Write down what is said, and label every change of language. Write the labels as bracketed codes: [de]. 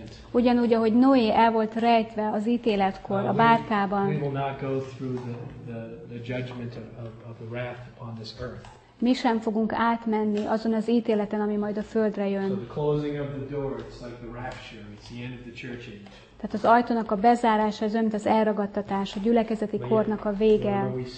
[hu] Ugyanúgy, ahogy Noé el volt rejtve az ítéletkor, a bárkában. [en] We will not go through the judgment of the wrath upon this earth. [hu] Mi sem fogunk átmenni azon az ítéleten, ami majd a földre jön. [en] So the closing of the door, it's like the rapture, it's the end of the church age. [hu] Tehát az ajtónak a bezárása, ez olyan, mint az elragadtatás, a gyülekezeti kornak a vége.